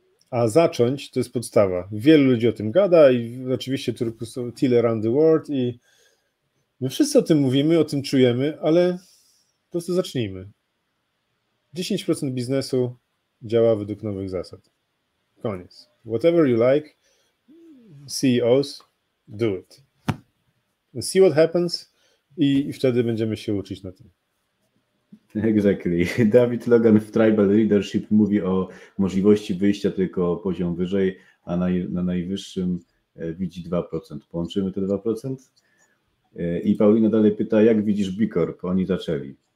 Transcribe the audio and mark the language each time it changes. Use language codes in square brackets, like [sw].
[pl] A zacząć to jest podstawa. Wielu ludzi o tym gada i oczywiście tylko są [en] till around the world [pl] i my wszyscy o tym mówimy, o tym czujemy, ale po prostu zacznijmy. 10% biznesu działa według nowych zasad. Koniec. [en] Whatever you like, CEOs, do it. And see what happens [pl] i wtedy będziemy się uczyć na tym. [en] Exactly. [pl] David Logan w Tribal Leadership mówi o możliwości wyjścia tylko poziom wyżej, a na najwyższym widzi 2%. Połączymy te 2%? I Paulina dalej pyta, jak widzisz B Corp? Oni zaczęli.